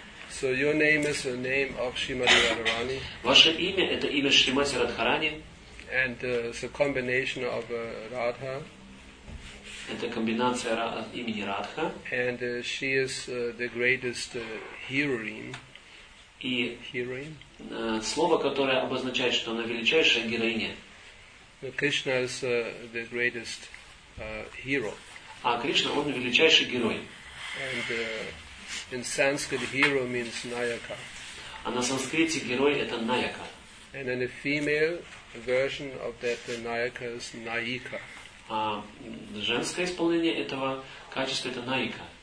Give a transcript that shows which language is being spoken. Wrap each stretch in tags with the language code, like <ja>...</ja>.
<en>So your name is the name of Shrimati Radharani.</en> <ru>Ваше имя – это имя Шримати Радхарани.</ru> <en>And it's a combination of Radha.</en> <ru>Это комбинация имени Радха.</ru> <en>And she is the greatest heroine.</en> <ru>И</ru> <en>heroine.</en> <ru>Слово, которое обозначает, что она величайшая героиня.</ru> <en>The Krishna is the greatest hero.</en> <ru>А Кришна, он величайший герой.</ru> <en>And in Sanskrit, hero means Nayaka.</en> <ru>А на санскрите герой это Nayaka.</ru> <en>And in a female version of that, the Nayaka is Nayika.</en> <ru>А женское исполнение этого качества это Наика.</ru>